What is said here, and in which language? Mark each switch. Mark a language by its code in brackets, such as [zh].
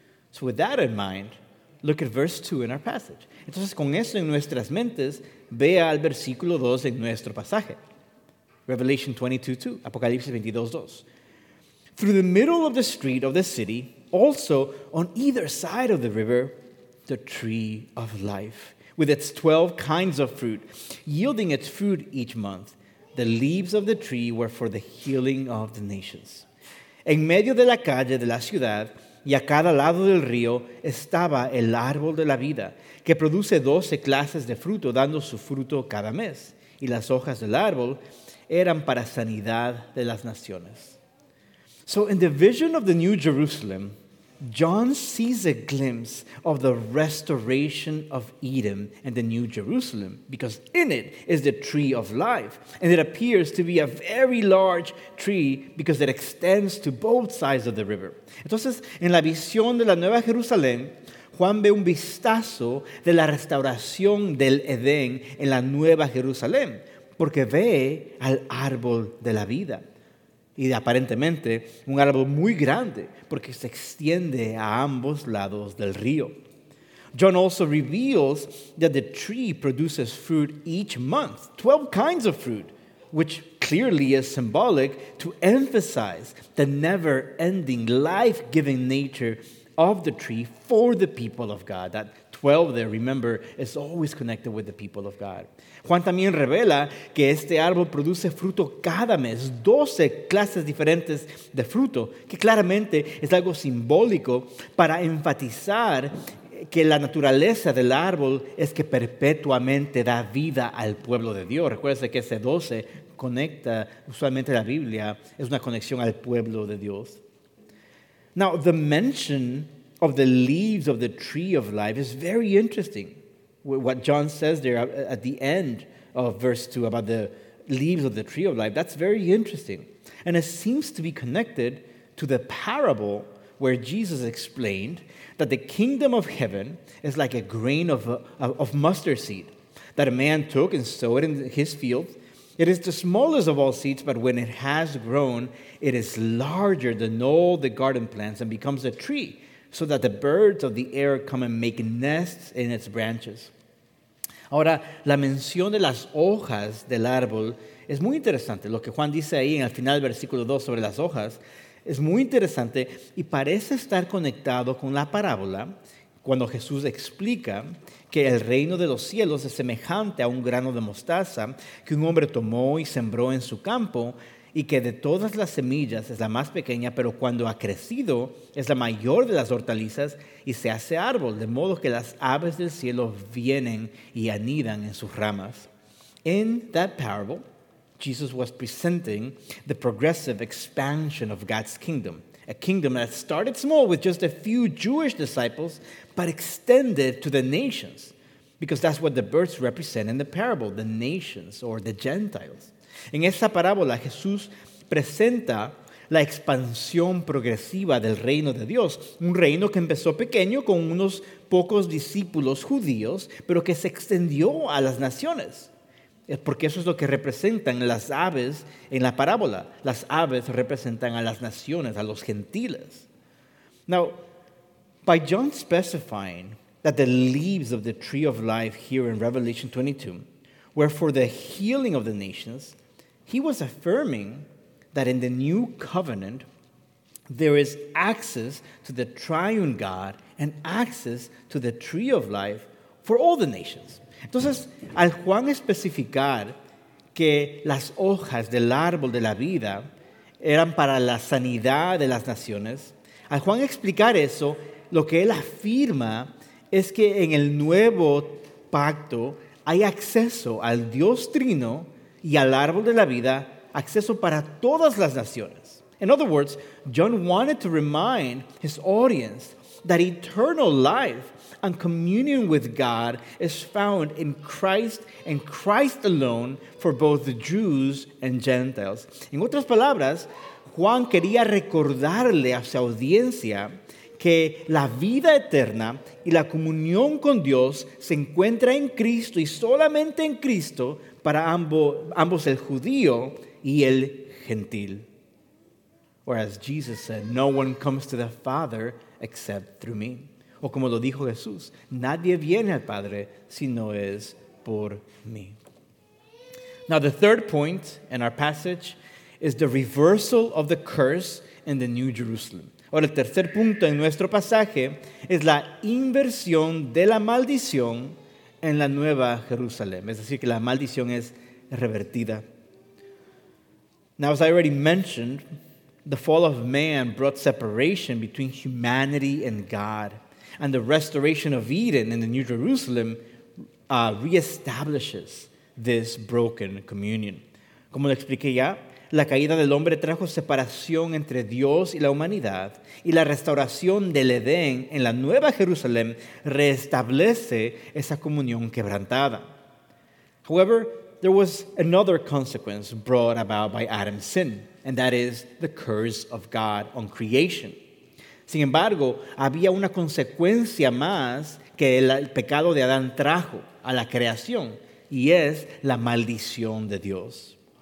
[en] So with that in mind, look at verse 2 in our passage. [es] Entonces, con eso en nuestras mentes, vea al versículo 2 en nuestro pasaje. [en] Revelation 22:2, Apocalipsis 22:2. Through the middle of the street of the city, also on either side of the river, the tree of life, with its 12 kinds of fruit, yielding its fruit each month. The leaves of the tree were for the healing of the nations. [es] En medio de la calle de la ciudad, y a cada lado del río, estaba el árbol de la vida, que produce 12 clases de fruto, dando su fruto cada mes. Y las hojas del árbol eran para sanidad de las naciones. [en] So in the vision of the New Jerusalem, John sees a glimpse of the restoration of Eden and the New Jerusalem, because in it is the tree of life. And it appears to be a very large tree because it extends to both sides of the river. [es] Entonces, en la visión de la Nueva Jerusalén, Juan ve un vistazo de la restauración del Edén en la Nueva Jerusalén, porque ve al árbol de la vida. Y aparentemente, un árbol muy grande, porque se extiende a ambos lados del río. [en] John also reveals that the tree produces fruit each month, 12 kinds of fruit, which clearly is symbolic to emphasize the never-ending, life-giving nature of the tree for the people of God. That 12 there, remember, is always connected with the people of God. [es] Juan también revela que este árbol produce fruto cada mes, 12 clases diferentes de fruto, que claramente es algo simbólico para enfatizar que la naturaleza del árbol es que perpetuamente da vida al pueblo de Dios. Recuerda que ese 12 conecta usualmente la Biblia, es una conexión al pueblo de Dios. [en] Now, the mention of the leaves of the tree of life is very interesting. What John says there at the end of verse 2 about the leaves of the tree of life, that's very interesting. And it seems to be connected to the parable where Jesus explained that the kingdom of heaven is like a grain of mustard seed that a man took and sowed in his field. It is the smallest of all seeds, but when it has grown, it is larger than all the garden plants and becomes a tree, so that the birds of the air come and make nests in its branches. [es] Ahora, la mención de las hojas del árbol es muy interesante. Lo que Juan dice ahí en el final del versículo 2 sobre las hojas es muy interesante y parece estar conectado con la parábola cuando Jesús explica que el reino de los cielos es semejante a un grano de mostaza que un hombre tomó y sembró en su campo y que de todas las semillas es la más pequeña, pero cuando ha crecido es la mayor de las hortalizas y se hace árbol, de modo que las aves del cielo vienen y anidan en sus ramas. [en] In that parable, Jesus was presenting the progressive expansion of God's kingdom, a kingdom that started small with just a few Jewish disciples, but extended to the nations, because that's what the birds represent in the parable, the nations or the Gentiles. [es] En esa parábola, Jesús presenta la expansión progresiva del reino de Dios, un reino que empezó pequeño con unos pocos discípulos judíos, pero que se extendió a las naciones, porque eso es lo que representan las aves en la parábola. Las aves representan a las naciones, a los gentiles. [en] Now, by John specifying that the leaves of the tree of life here in Revelation 22 were for the healing of the nations, he was affirming that in the new covenant, there is access to the triune God and access to the tree of life for all the nations. [es] Entonces, al Juan especificar que las hojas del árbol de la vida eran para la sanidad de las naciones, al Juan explicar eso, lo que él afirma es que en el nuevo pacto hay acceso al Dios trino y al árbol de la vida, acceso para todas las naciones. [en] In other words, John wanted to remind his audience that eternal life and communion with God is found in Christ and Christ alone for both the Jews and Gentiles. [es] En otras palabras, Juan quería recordarle a su audiencia que la vida eterna y la comunión con Dios se encuentra en Cristo y solamente en Cristo para ambos el judío y el gentil. [en] Or as Jesus said, no one comes to the Father except through me. [es] O como lo dijo Jesús, nadie viene al Padre si no es por mí. [en] Now, the third point in our passage is the reversal of the curse in the New Jerusalem. [es] Ahora, el tercer punto en nuestro pasaje es la inversión de la maldición en la Nueva Jerusalén. Es decir, que la maldición es revertida. [en] Now, as I already mentioned, the fall of man brought separation between humanity and God. And the restoration of Eden in the New Jerusalem reestablishes this broken communion. [es] Como lo expliqué ya, la caída del hombre trajo separación entre Dios y la humanidad, y la restauración del Edén en la Nueva Jerusalén restablece esa comunión quebrantada. [en] However, there was another consequence brought about by Adam's sin, and that is the curse of God on creation. [es] Sin embargo, había una consecuencia más que el pecado de Adán trajo a la creación, y es la maldición de Dios.